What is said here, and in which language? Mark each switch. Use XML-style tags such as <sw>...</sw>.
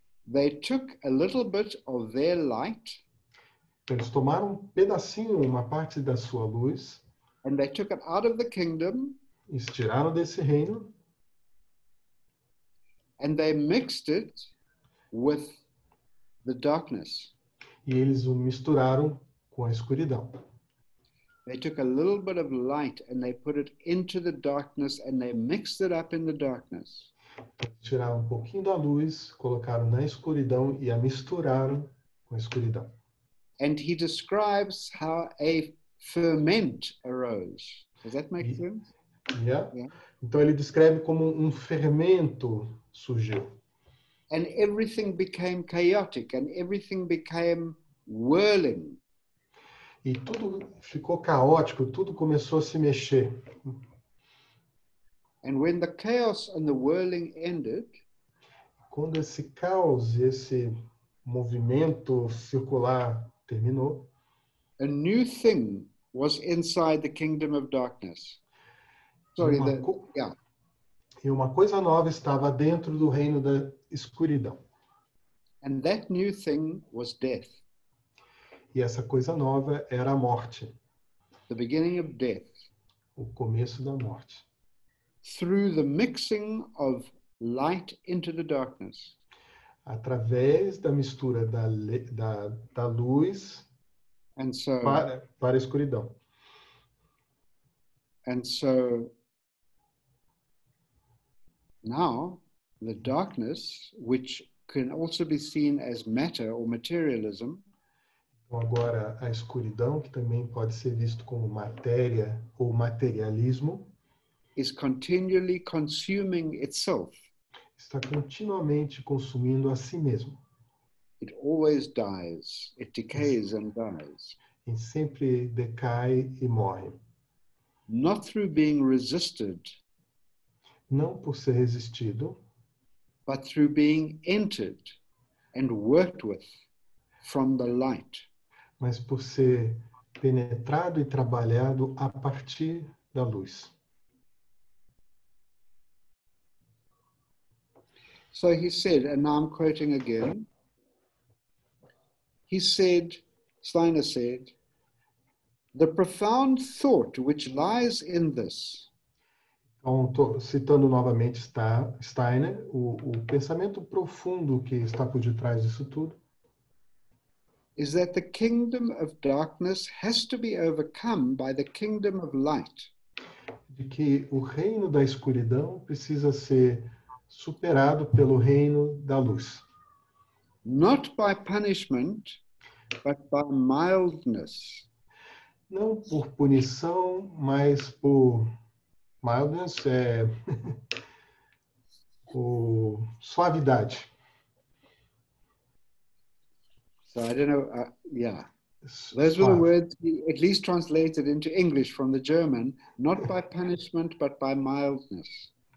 <en>They took a little bit of their light.</en> <pt>Eles tomaram um pedacinho, uma parte da sua luz.</pt> <en>And they took it out of the kingdom.</en> <pt>Estiraram desse reino.</pt> <en>And they mixed it with the darkness.</en> <pt>E eles o misturaram com a escuridão.</pt> <en>They took a little bit of light and they put it into the darkness and they mixed it up in the darkness.</en> <pt>Tiraram um pouquinho da luz, colocaram na escuridão e a misturaram com a escuridão.</pt> <en>And he describes how a ferment arose. Does that make sense?</en> <pt>Então ele descreve como um fermento surgiu.</pt> <en>And everything became chaotic and everything became whirling.</en> <pt>E tudo ficou caótico, tudo começou a se mexer.</pt> <en>And when the chaos and the whirling ended,</en> <pt>quando esse caos, esse movimento circular terminou,</pt> <en>a new thing was inside the kingdom of darkness. Sorry,</en> <pt>e uma coisa nova estava dentro do reino da escuridão.</pt> <en>And that new thing was death.</en> <pt>E essa coisa nova era a morte.</pt> <en>The beginning of death.</en> <pt>O começo da morte.</pt> <en>Through the mixing of light into the darkness.</en> <pt>Através da mistura da luz</pt> <en>And so,</en> <pt>para a escuridão.</pt> <en>And so, now, the darkness, which can also be seen as matter or materialism,</en> <pt>agora, a escuridão, que também pode ser visto como matéria ou materialismo,</pt> <en>is continually consuming itself.</en> <pt>Está continuamente consumindo a si mesmo.</pt> <en>It always dies. It decays and dies.</en> <pt>E sempre decai e morre.</pt> <en>Not through being resisted,</en> <pt>não por ser resistido,</pt> <en>but through being entered and worked with from the light.</en> <pt>Mas por ser penetrado e trabalhado a partir da luz.</pt> <en>So he said, and now I'm quoting again. He said, Steiner said, the profound thought which lies in this.</en> <pt>Então, tô citando novamente Steiner, o pensamento profundo que está por detrás disso tudo.</pt> <en>Is that the kingdom of darkness has to be overcome by the kingdom of light.</en> <pt>De que o reino da escuridão precisa ser superado pelo reino da luz.</pt> <en>Not by punishment, but by mildness.</en> <pt>Não por punição, mas por mildness, por suavidade.</pt> <en>So I don't know. Those were the words he at least translated into English from the German, not by punishment, but by mildness.</en>